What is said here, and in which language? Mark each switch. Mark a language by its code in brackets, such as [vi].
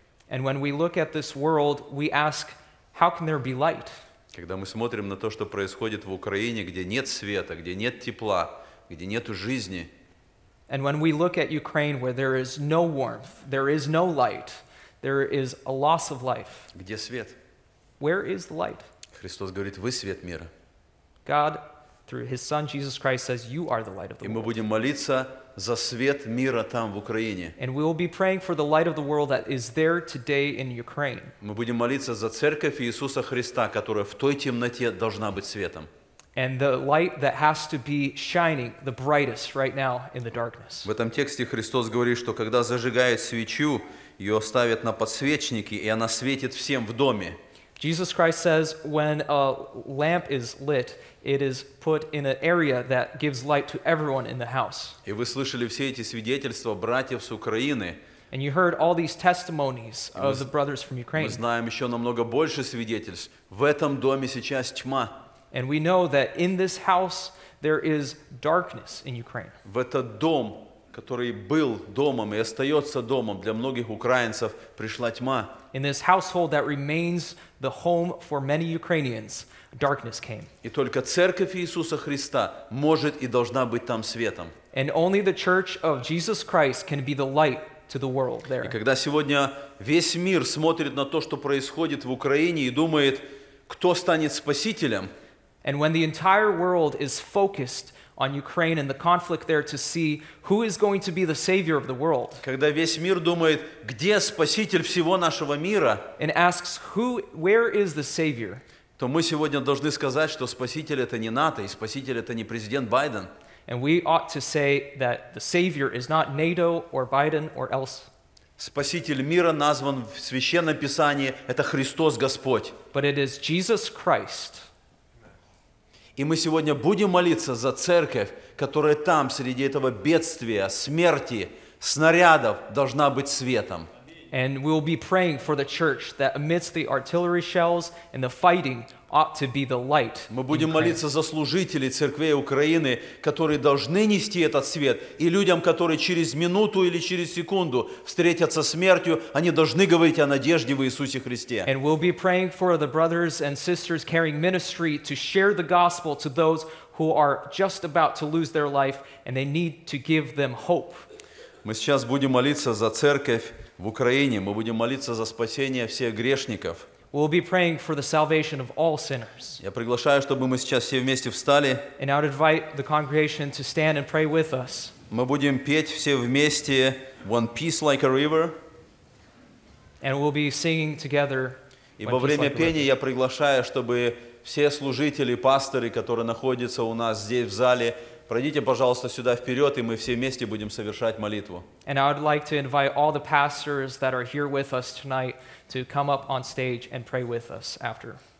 [en] And when we look at this world, we ask, how can there be light? [ru] Когда мы смотрим на то, что происходит в Украине, где нет света, где нет тепла, где нету жизни. [en] And when we look at Ukraine, where there is no warmth, there is no light, there is a loss of life. [ru] Где свет? [en] Where is the light? [ru] Христос говорит: вы свет мира. [en] God, through His Son, Jesus Christ, says, you are the light of the world. [ru] И мы будем молиться за свет мира там, в Украине. [en] And we will be praying for the light of the world that is there today in Ukraine. [ru] Мы будем молиться за Церковь Иисуса Христа, которая в той темноте должна быть светом. [en] And the light that has to be shining the brightest right now in the darkness. [ru] В этом тексте Христос говорит, что когда зажигают свечу, ее ставят на подсвечники, и она светит всем в доме. [en] Jesus Christ says, when a lamp is lit, it is put in an area that gives light to everyone in the house. [ru] И вы слышали все эти свидетельства братьев с Украины. [en] And you heard all these testimonies of the brothers from Ukraine. [ru] Мы знаем еще намного больше свидетельств. В этом доме сейчас тьма. [en] And we know that in this house there is darkness in Ukraine. [ru] В этот дом, который был домом и остается домом для многих украинцев, пришла тьма. [en] In this household that remains the home for many Ukrainians, darkness came. [ru] И только Церковь Иисуса Христа может и должна быть там светом. [en] And only the Church of Jesus Christ can be the light to the world there. [ru] И когда сегодня весь мир смотрит на то, что происходит в Украине, и думает, кто станет спасителем, [en] and when the entire world is focused on Ukraine and the conflict there to see who is going to be the savior of the world. [ru] Когда весь мир думает, где спаситель всего нашего мира? [en] And asks who, where is the savior? [ru] То мы сегодня должны сказать, что спаситель это не НАТО и спаситель это не президент Байден. [en] And we ought to say that the savior is not NATO or Biden or else. [ru] Спаситель мира назван в Священном Писании это Христос Господь. [en] But it is Jesus Christ. [ru] И мы сегодня будем молиться за церковь, которая там, среди этого бедствия, смерти, снарядов, должна быть светом. [en] And we'll be praying for the church that amidst the artillery shells and the fighting ought to be the light. [ru] Мы будем молиться за служителей церкви Украины, которые должны нести этот свет, и людям, которые через минуту или через секунду встретятся смертью, они должны говорить о надежде в Иисусе Христе. [en] And we'll be praying for the brothers and sisters carrying ministry to share the gospel to those who are just about to lose their life and they need to give them hope. [ru] Мы сейчас будем молиться за церковь в Украине, мы будем молиться за спасение всех грешников. [en] We'll be praying for the salvation of all sinners. [ru] Я приглашаю, чтобы мы сейчас все вместе встали. [en] And I would invite the congregation to stand and pray with us. [ru] Мы будем петь все вместе "One Peace Like a River". [en] And we'll be singing together. [ru] И во время пения я приглашаю, чтобы все служители, пасторы, которые находятся у нас здесь в зале, пройдите, пожалуйста, сюда вперед, и мы все вместе будем совершать молитву. [en] And I would like to invite all the pastors that are here with us tonight to come up on stage and pray with us after.